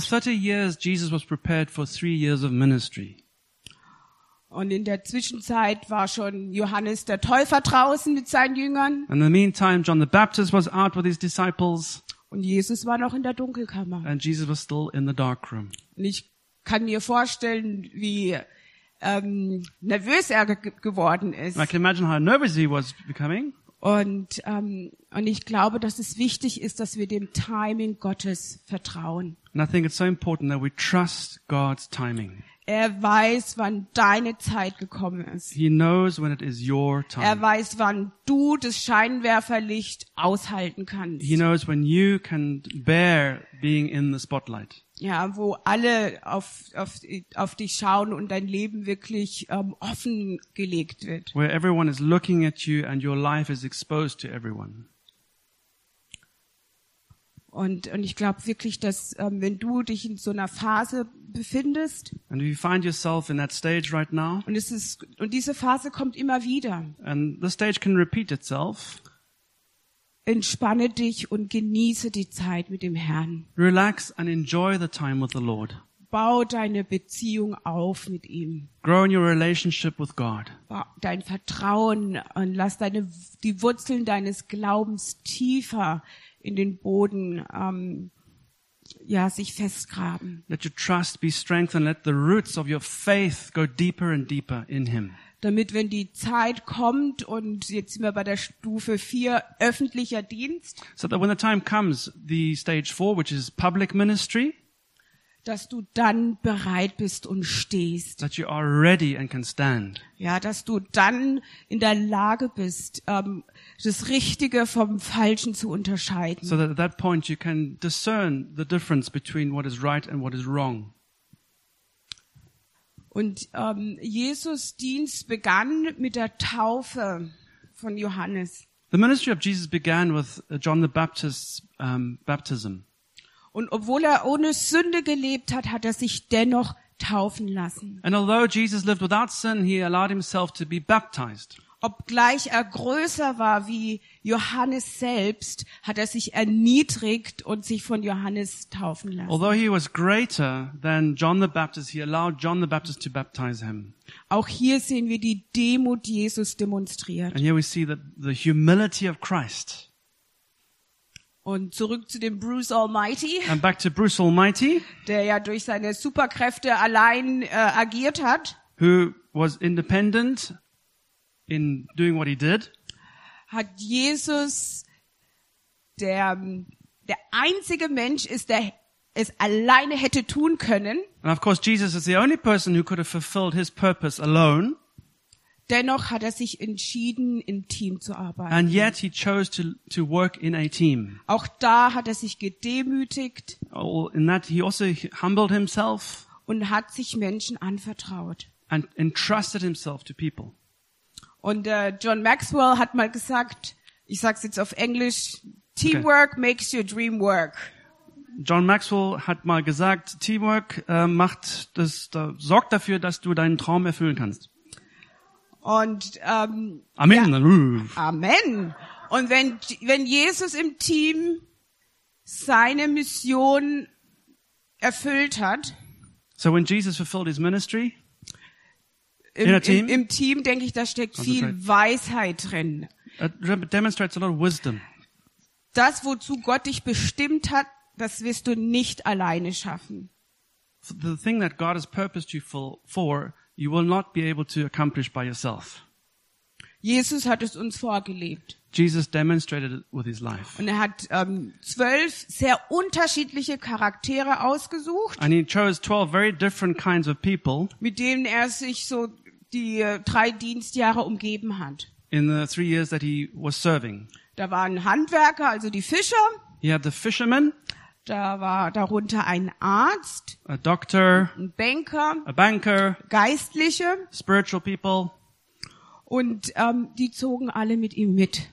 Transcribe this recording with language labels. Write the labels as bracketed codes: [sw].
[en] For 30 years Jesus was prepared for 3 years of ministry. [de] Und in der Zwischenzeit war schon Johannes der Täufer draußen mit seinen Jüngern. [en] In the meantime John the Baptist was out with his disciples. [de] Und Jesus war noch in der Dunkelkammer. [en] And Jesus was still in the dark room. [de] Und ich kann mir vorstellen, wie nervös er geworden ist. [en] I can imagine how nervous he was becoming. [de] Und ich glaube, dass es wichtig ist, dass wir dem Timing Gottes vertrauen. [en] And I think it's so important that we trust God's timing. [de] Er weiß, wann deine Zeit gekommen ist. [en] He knows when it is your time. [de] Er weiß, wann du das Scheinwerferlicht aushalten kannst. [en] He knows when you can bear being in the spotlight. [de] Ja, wo alle auf dich schauen und dein Leben wirklich offen gelegt wird. [en] Where everyone is looking at you and your life is exposed to everyone. [de] Und ich glaube wirklich, dass wenn du dich in so einer Phase befindest, [en] and you find yourself in that stage right now, [de] und diese Phase kommt immer wieder, [en] and the stage can repeat itself, [de] entspanne dich und genieße die Zeit mit dem Herrn. [en] Relax and enjoy the time with the Lord. [de] Bau deine Beziehung auf mit ihm. [en] Grow in your relationship with God. [de] Bau dein Vertrauen und lass die Wurzeln deines Glaubens tiefer in den Boden sich festgraben. [en] Let your trust be strengthened. Let the roots of your faith go deeper and deeper in him. [de] Damit, wenn die Zeit kommt, und jetzt sind wir bei der Stufe 4, öffentlicher Dienst, [en] so that when the time comes, the stage 4, which is public ministry, [de] dass du dann bereit bist und stehst. [en] That you are ready and can stand. [de] Ja, dass du dann in der Lage bist, das Richtige vom Falschen zu unterscheiden. [en] So that at that point you can discern the difference between what is right and what is wrong. [de] Und Jesus' Dienst begann mit der Taufe von Johannes. [en] The ministry of Jesus began with John the Baptist's baptism. [de] Und obwohl er ohne Sünde gelebt hat, hat er sich dennoch taufen lassen. [en] And although Jesus lived without sin, he allowed himself to be baptized. [de] Obgleich er größer war wie Johannes selbst, hat er sich erniedrigt und sich von Johannes taufen lassen. [en] Although he was greater than John the Baptist, he allowed John the Baptist to baptize him. [de] Auch hier sehen wir die Demut Jesus demonstriert. [en] And here we see the humility of Christ. [de] Und zurück zu dem Bruce Almighty. [en] And back to Bruce Almighty. [de] Der ja durch seine Superkräfte allein agiert hat. [en] Who was independent in doing what he did. [de] Hat Jesus, der einzige Mensch ist, der es alleine hätte tun können. [en] And of course Jesus is the only person who could have fulfilled his purpose alone. [de] Dennoch hat er sich entschieden, im Team zu arbeiten. [en] And yet he chose to work in a team. [de] Auch da hat er sich gedemütigt. [en] In that he also humbled himself. [de] Und hat sich Menschen anvertraut. [en] And entrusted himself to people. [de] Und John Maxwell hat mal gesagt, ich sag's jetzt auf Englisch, Teamwork okay. [en] makes your dream work. [de] John Maxwell hat mal gesagt, Teamwork sorgt dafür, dass du deinen Traum erfüllen kannst. Und Amen. Ja, Amen. Und wenn Jesus im Team seine Mission erfüllt hat, [en] so when Jesus fulfilled his ministry in a team, [de] im Team, denke ich, da steckt viel Weisheit drin. [en] It demonstrates a lot of wisdom. [de] Das, wozu Gott dich bestimmt hat, das wirst du nicht alleine schaffen. [en] The thing that God has purposed you for, you will not be able to accomplish by yourself. [de] Jesus hat es uns vorgelebt. [en] Jesus demonstrated it with his life. [de] Und er hat 12 sehr unterschiedliche Charaktere ausgesucht. [en] And he chose 12 very different kinds of people. [de] Mit denen er sich so die 3 Dienstjahre umgeben hat. [en] In the 3 years that he was serving. [de] Da waren Handwerker, also die Fischer. [en] He had the fishermen. [de] Da war darunter ein Arzt, [en] a doctor, [de] ein Banker, [en] a banker, [de] Geistliche, [en] spiritual people, [de] und die zogen alle mit ihm mit.